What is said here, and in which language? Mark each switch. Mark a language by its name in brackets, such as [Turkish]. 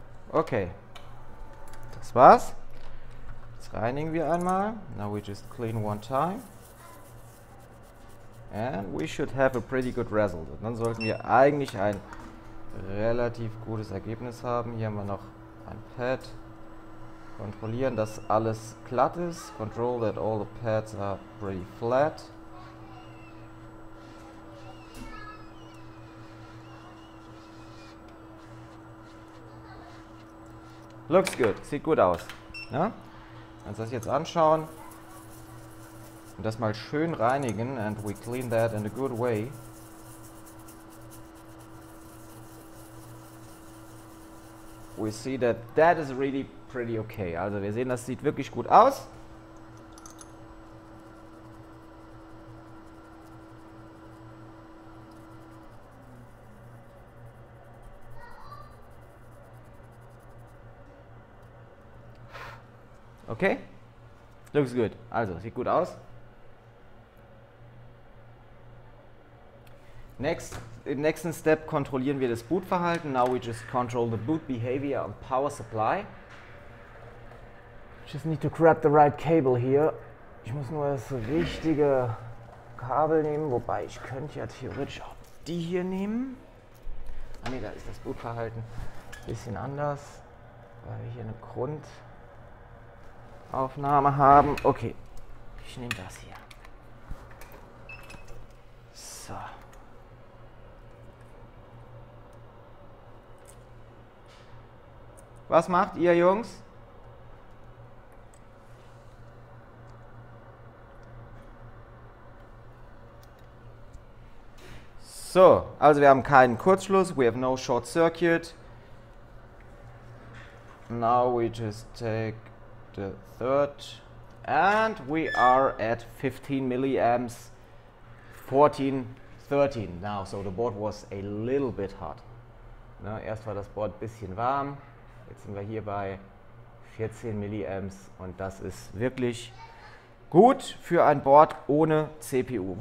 [German] Okay. Das war's. Jetzt reinigen wir einmal. [English] Now we just clean one time. And we should have a pretty good result. [German] Und dann sollten wir eigentlich ein relativ gutes Ergebnis haben. Hier haben wir noch ein Pad. Kontrollieren, dass alles glatt ist. [English] Control that all the pads are pretty flat. Looks good. [German] Sieht gut aus. Ja? Wenn wir uns das jetzt anschauen. Und das mal schön reinigen, [English] and we clean that in a good way. We see that that is really pretty okay. [German] Also wir sehen, das sieht wirklich gut aus. Okay. [English] Looks good. [German] Also sieht gut aus. Next, im nächsten Step kontrollieren wir das Bootverhalten. [English] Now we just control the boot behavior on power supply. Just need to grab the right cable here. [German] Ich muss nur das richtige Kabel nehmen, wobei ich könnte ja theoretisch auch die hier nehmen. Ah ne, da ist das Bootverhalten ein bisschen anders, weil wir hier eine Grundaufnahme haben. Okay, ich nehme das hier. So. Was macht ihr, Jungs? So, So, also wir haben keinen Kurzschluss. [English] We have no short circuit. Now we just take the third. And we are at 15 milliamps. 14, 13 now. So the board was a little bit hot. [German] Na, erst war das Board ein bisschen warm. Jetzt sind wir hier bei 14 milliamps. Und das ist wirklich gut für ein Board ohne CPU.